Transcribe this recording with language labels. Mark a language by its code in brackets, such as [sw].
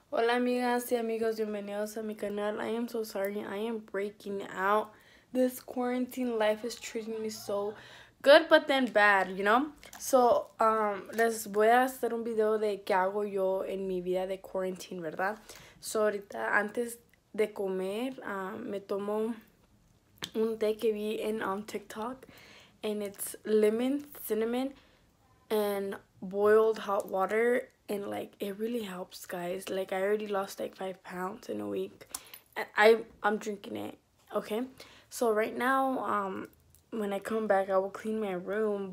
[es] Hola amigas y amigos, bienvenidos a mi canal. [en] I am so sorry, I am breaking out. This quarantine life is treating me so good, but then bad, you know? [es] So, les voy a hacer un video de qué hago yo en mi vida de quarantine, ¿verdad? So, ahorita, antes de comer, me tomo un té que vi en TikTok. [en] And it's lemon, cinnamon, and boiled hot water. And, like, it really helps, guys. Like, I already lost, like, 5 pounds in a week. And I'm drinking it, okay? So, right now, when I come back, I will clean my room.